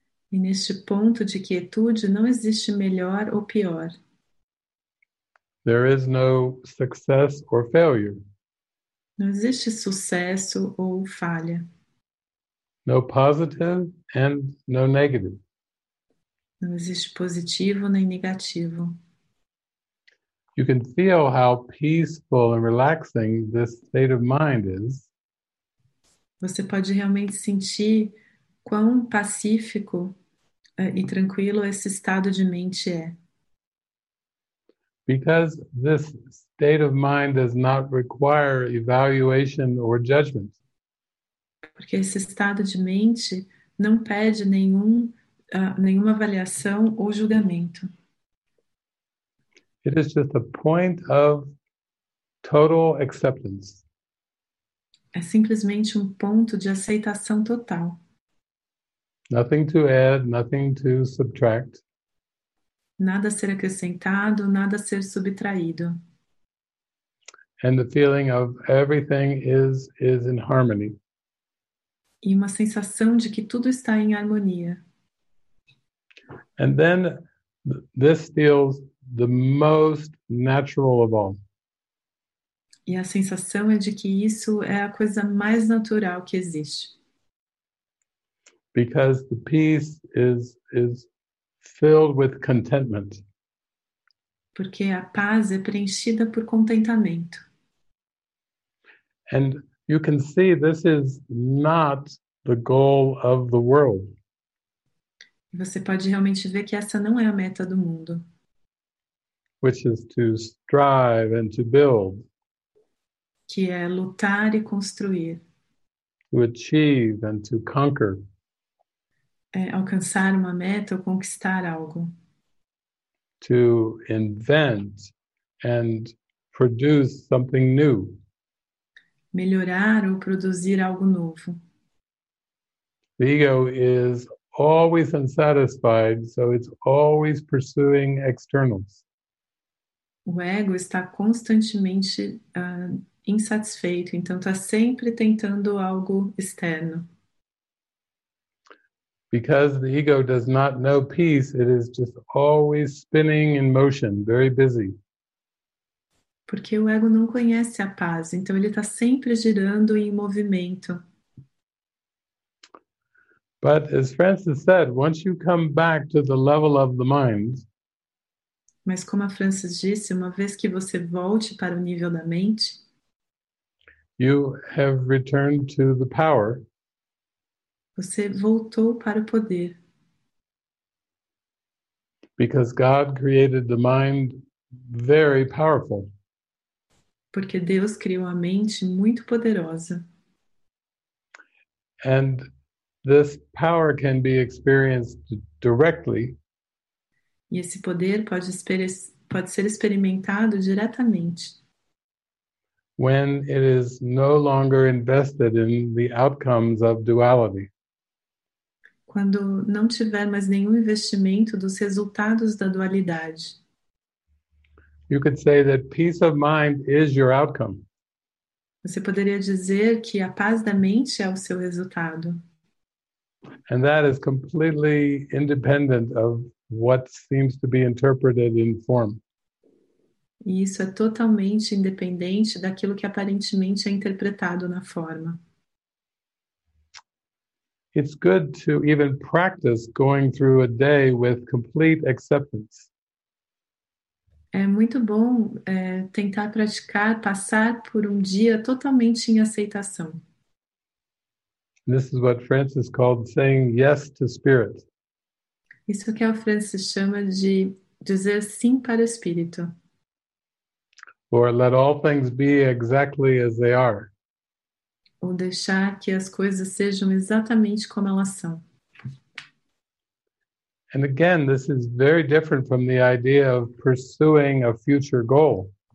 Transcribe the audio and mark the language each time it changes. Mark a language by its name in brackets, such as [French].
[Portuguese] E neste ponto de quietude, não existe melhor ou pior. [English] There is no success or failure. [Portuguese] Não existe sucesso ou falha. [English] No positive and no negative. [Portuguese] Não existe positivo nem negativo. [English] You can feel how peaceful and relaxing this state of mind is. [Portuguese] Você pode realmente sentir quão pacífico e tranquilo esse estado de mente é. [English] Because this state of mind does not require evaluation or judgment. [Portuguese] Porque esse estado de mente não pede nenhuma avaliação ou julgamento. [English] It is just a point of total acceptance. [Portuguese] É simplesmente ponto de aceitação total. [English] Nothing to add, nothing to subtract. [Portuguese] Nada a ser acrescentado, nada a ser subtraído. [English] And the feeling of everything is in harmony. [Portuguese] E uma sensação de que tudo está em harmonia. [English] And then this feels the most natural of all. [Portuguese] E a sensação é de que isso é a coisa mais natural que existe. [English] Because the peace is filled with contentment. [Portuguese] Porque a paz é preenchida por contentamento. [English] And you can see this is not the goal of the world. [Portuguese] Você pode realmente ver que essa não é a meta do mundo. [English] which is to strive and to build. [Portuguese] Que é lutar e construir. [English] To achieve and to conquer. [Portuguese] É alcançar uma meta ou conquistar algo. [English] To invent and produce something new. [Portuguese] Melhorar ou produzir algo novo. [English] The ego is always unsatisfied, so it's always pursuing externals. [Portuguese] O ego está constantemente insatisfeito, então está sempre tentando algo externo. [English] Because the ego does not know peace, it is just always spinning in motion, very busy. [Portuguese] Porque o ego não conhece a paz, então ele está sempre girando em movimento. [English] But as Francis said, once you come back to the level of the mind, [Portuguese] mas como a Francis disse, uma vez que você volte para o nível da mente, [English] you have returned to the power. [Portuguese] Você voltou para o poder. [English] Because God created the mind very powerful. [Portuguese] Porque Deus criou a mente muito poderosa. [English] And this power can be experienced directly. [Portuguese] E esse poder pode ser experimentado diretamente. [English] When it is no longer invested in the outcomes of duality. [Portuguese] Quando não tiver mais nenhum investimento dos resultados da dualidade. [English] You could say that peace of mind is your outcome. [Portuguese] Você poderia dizer que a paz da mente é o seu resultado. [English] And that is completely independent of what seems to be interpreted in form. [Portuguese] E isso é totalmente independente daquilo que aparentemente é interpretado na forma. [English] It's good to even practice going through a day with complete acceptance. [Portuguese] É muito bom tentar praticar, passar por um dia totalmente em aceitação. [English] This is what Francis called saying yes to spirit. [Portuguese] Isso é o que o Francis chama de dizer sim para o espírito. [English] Or let all things be exactly as they are. [Portuguese] Ou deixar que as coisas sejam exatamente como elas são. [English] And again, this is very different from the idea of pursuing a future goal.